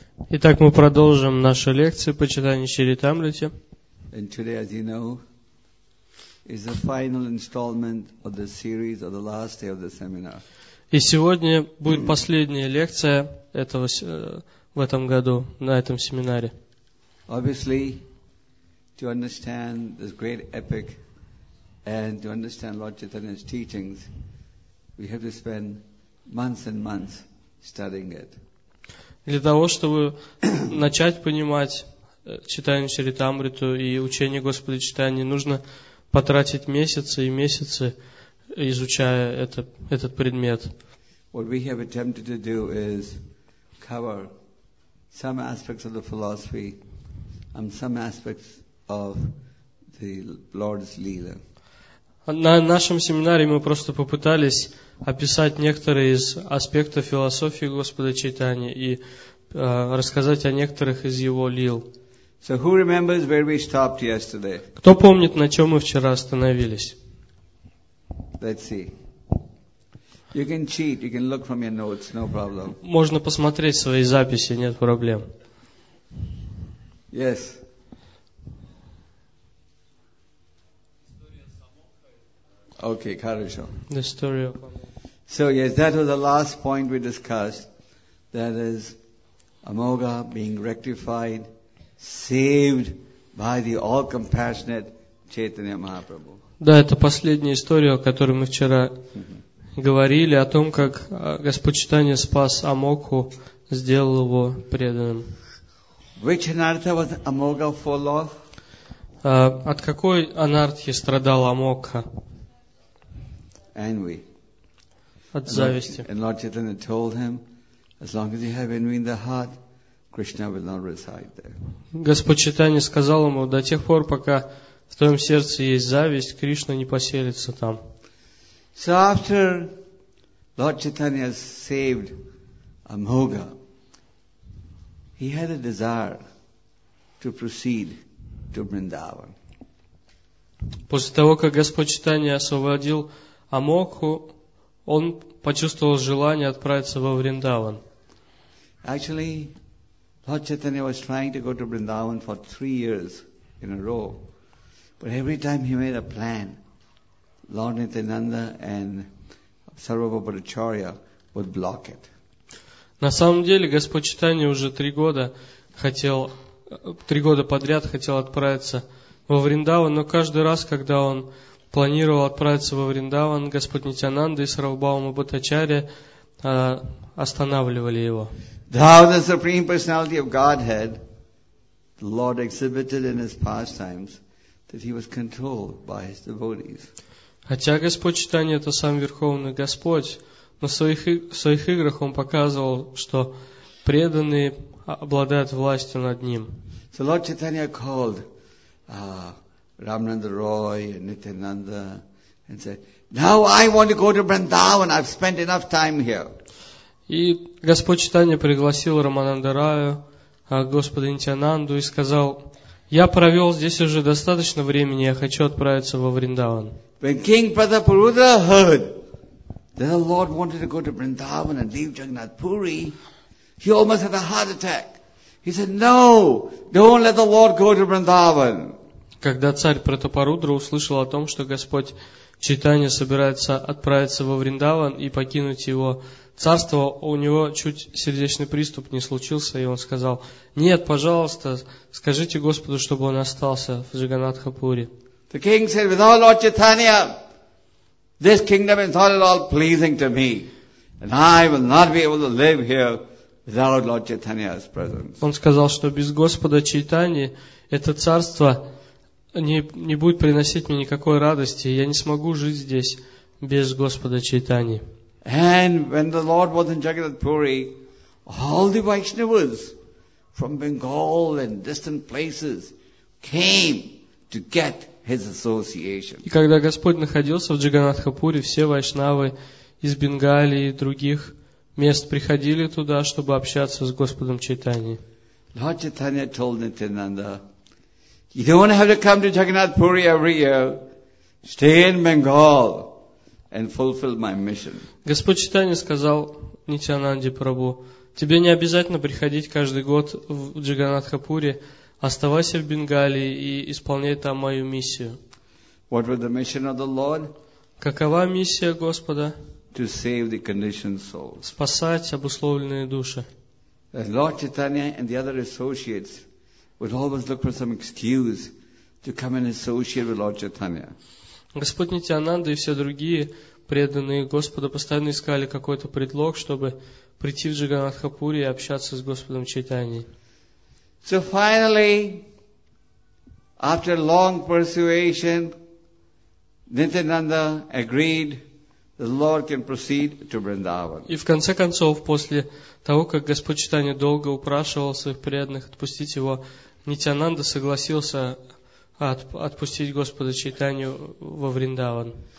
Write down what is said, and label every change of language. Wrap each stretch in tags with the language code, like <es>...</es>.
<ru>Итак, мы продолжим наши лекции по читанию Чаритамриты.</ru> <en>And today, as you know, is the final installment of the series of the last day of the seminar.</en> <ru>И сегодня будет последняя лекция этого в этом году на этом семинаре.</ru> <en>Obviously, to understand this great epic and to understand Lord Chaitanya's teachings. We have to spend months and months studying it.</en> <ru>Для того, чтобы начать понимать читание Чаритамриту и учение Господа Чайтаньи, нужно потратить месяцы и месяцы, изучая этот предмет.</ru> <en>What we have attempted to do is cover some aspects of the philosophy and some aspects of the Lord's Leela.</en> <ru>На нашем семинаре мы просто попытались описать некоторые из аспектов философии Господа Чайтаньи и рассказать о некоторых из его лил.</ru> <en>So who remembers where we stopped yesterday?</en> <ru>Кто помнит, на чем мы вчера остановились?</ru> <en>Let's see. You can cheat, you can look from your notes, no problem.</en> <ru>Можно посмотреть свои записи, нет проблем.</ru> <en>Yes.</en> <ru>Okay, хорошо.</ru> <en>The story of. So yes, that was the last point we discussed. That is, Amogha being rectified, saved by the all-compassionate Chaitanya Mahaprabhu.</en> <ru>Да, это последняя история, о которой мы вчера говорили о том, как Господь Чайтанья спас Амогху, сделал его преданным.</ru> <en>Which anartha was Amogha full of?</en> <ru>От какой анартхи страдал Амогха?</ru> <en>Envy.</en> <ru>От зависти.</ru> <en>And Lord Chaitanya told him, as long as you have envy in the heart, Krishna will not reside there.</en> <ru>Господь Чайтанья сказал ему, до тех пор, пока в твоем сердце есть зависть, Кришна не поселится там.</ru> <en>So after Lord Chaitanya saved Amogha, he had a desire to proceed to Vrindavan.</en> <ru>После того, как Господь Чайтанья освободил Амогху, он почувствовал желание отправиться во Вриндаван.</ru> <en>Actually, Lord Chaitanya was trying to go to Vrindavan for 3 years in a row. But every time he made a plan, Lord Nityananda and Sarva Bhattacharya would block it.</en> <ru>На самом деле, Господь Чайтанья уже три года подряд хотел отправиться во Вриндаван, но каждый раз, когда он планировал отправиться во Вриндаван, Господь Нитянанда и Сарвабхаума Бхаттачарья останавливали его.</ru> <en>The Supreme Personality of Godhead, the Lord exhibited in his pastimes that he was controlled by his devotees.</en> <ru>Хотя Господь Чайтанья — это сам Верховный Господь, но в своих играх он показывал, что преданные обладают властью над ним.</ru> <en>So Lord Chaitanya called Ramananda Roy and Nityananda and said, "Now I want to go to Vrindavan. I've spent enough time here."</en> <ru>И Господь Чайтанья пригласил Рамананда Раю, Господа Нитянанду, и сказал: "Я провел здесь уже достаточно времени. Я хочу отправиться во Вриндаван."</ru> <en>When King Pradaparudra heard that the Lord wanted to go to Vrindavan and leave Jagannath Puri, he almost had a heart attack. He said, "No, don't let the Lord go to Vrindavan."</en> <ru>Когда царь Пратапарудра услышал о том, что Господь Чайтанья собирается отправиться во Вриндаван и покинуть его царство, у него чуть сердечный приступ не случился, и он сказал: "Нет, пожалуйста, скажите Господу, чтобы он остался в Джаганатхапуре."</ru> <en>The king said, "Without Lord Chaitanya, this kingdom is not at all pleasing to me, and I will not be able to live here without Lord Chaitanya's presence."</en> <ru>Он сказал, что без Господа Чайтаньи это царство не будет приносить мне никакой радости, я не смогу жить здесь без Господа Чайтаньи.</ru> <en>And when the Lord was in Jagannath Puri, all the Vaishnavas from Bengal and distant places came to get His association.</en> <ru>И когда Господь находился в Джаганатхапуре, все вайшнавы из Бенгалии и других мест приходили туда, чтобы общаться с Господом Чайтаньей.</ru> <en>Lord Chaitanya told Nityananda, "You don't have to come to Jagannath Puri every year. Stay in Bengal and fulfill my mission."</en> <ru>Господь Чайтанья сказал Нитянанде Прабху: "Тебе не обязательно приходить каждый год в Джаганатхапуре. Оставайся в Бенгалии и исполняй там мою миссию."</ru> <en>What was the mission of the Lord?</en> <ru>Какова миссия Господа?</ru> <en>To save the conditioned souls.</en> <ru>Спасать обусловленные души.</ru> <en>And Lord Chaitanya and the other associates would always look for some excuse to come and associate with Lord Chaitanya.</en> <ru>Господь Нитянанда и все другие преданные Господа постоянно искали какой-то предлог, чтобы прийти в Джаганатхапуру и общаться с Господом Чайтаньей.</ru> <en>So finally, after long persuasion, Nityananda agreed that the Lord can proceed to Vrindavan.</en> <ru>И в конце концов, после того, как Господь Чайтанья долго упрашивал своих преданных отпустить его, Нитянанда согласился отпустить Господа Чайтанью во Вриндаван.</ru>